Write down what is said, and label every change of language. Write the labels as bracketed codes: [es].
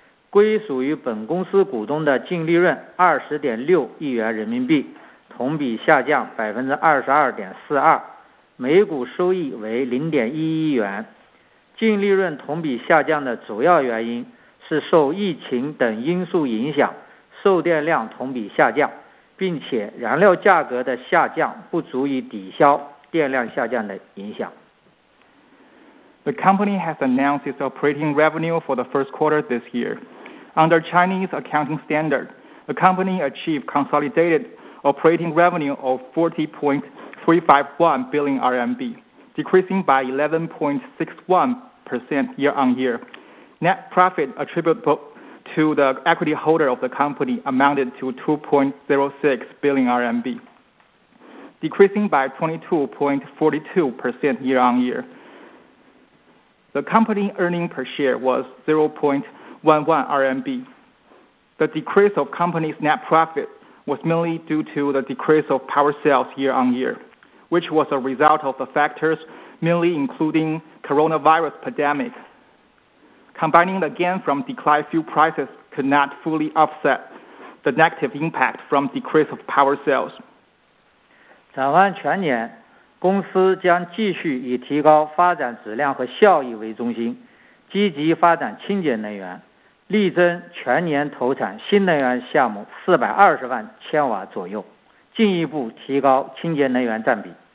[zh] 归属于本公司股东的净利润20.6亿元人民币，同比下降22.42%，每股收益为0.11元。净利润同比下降的主要原因是受疫情等因素影响，售电量同比下降，并且燃料价格的下降不足以抵消电量下降的影响。 [en] The company has announced its operating revenue for the first quarter this year. Under Chinese accounting standard, the company achieved consolidated operating revenue of 40.351 billion RMB, decreasing by 11.61% year-on-year. Net profit attributable to the equity holder of the company amounted to 2.06 billion RMB, decreasing by 22.42% year-on-year. The company earning per share was 0.11 RMB. The decrease of company's net profit was mainly due to the decrease of power sales year on year, which was a result of the factors mainly including coronavirus pandemic. Combining the gain from declined fuel prices could not fully offset the negative impact from decrease of power sales. [zh] 展望全年，公司将继续以提高发展质量和效益为中心，积极发展清洁能源。力争全年投产新能源项目420万千瓦左右，进一步提高清洁能源占比。